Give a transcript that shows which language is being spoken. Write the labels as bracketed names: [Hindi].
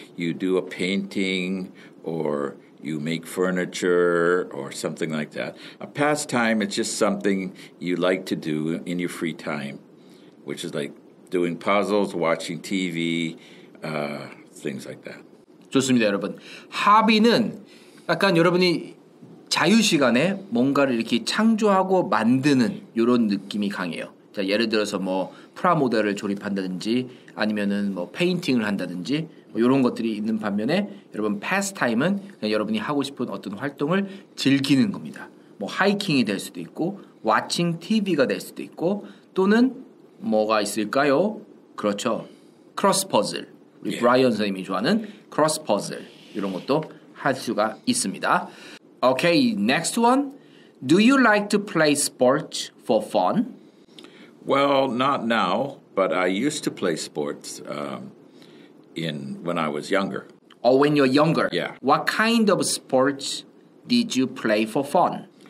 [English] You do a painting, or you make furniture, or something like that. A pastime is just something you like to do in your free time, which is like doing puzzles, watching TV, things like that. [Korean] 좋습니다, 여러분. 하비는 약간 여러분이 자유시간에 뭔가를 이렇게 창조하고 만드는 이런 느낌이 강해요. 자, 예를 들어서 뭐 프라모델을 조립한다든지 아니면은 뭐 페인팅을 한다든지 뭐 이런 것들이 있는 반면에 여러분 패스타임은 그냥 여러분이 하고 싶은 어떤 활동을 즐기는 겁니다. 뭐 하이킹이 될 수도 있고 왓칭 TV가 될 수도 있고 또는 뭐가 있을까요? 그렇죠. 크로스 퍼즐. 우리 yeah. 브라이언 선생님이 좋아하는 크로스 퍼즐. 이런 것도 할 수가 있습니다. [English] Okay, next one. Do you like to play sports for fun? Well, not now, but I used to play sports when I was younger. Oh, when you're younger? Yeah. What kind of sports did you play for fun?